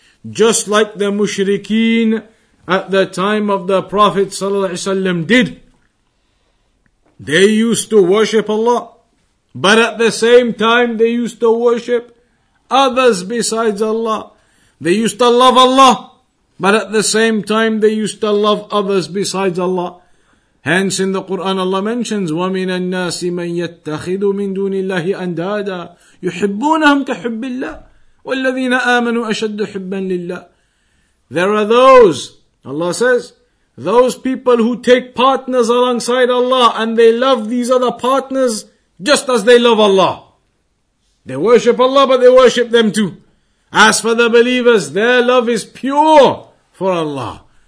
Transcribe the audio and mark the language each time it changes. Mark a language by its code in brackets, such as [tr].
[en] Just like the mushrikeen at the time of the Prophet ﷺ did. They used to worship Allah, but at the same time they used to worship others besides Allah. They used to love Allah, but at the same time they used to love others besides Allah. Hence in the Quran Allah mentions, [ar] وَمِنَ النَّاسِ مَنْ يَتَّخِذُ مِنْ دُونِ اللَّهِ أَنْدَادًا يُحِبُّونَهُمْ كَحُبِّ اللَّهِ وَالَّذِينَ آمَنُوا أَشَدُّ حُبًّا لِلَّهِ. [en] There are those, Allah says, those people who take partners alongside Allah and they love these other partners just as they love Allah. They worship Allah, but they worship them too. As for the believers, their love is pure for Allah.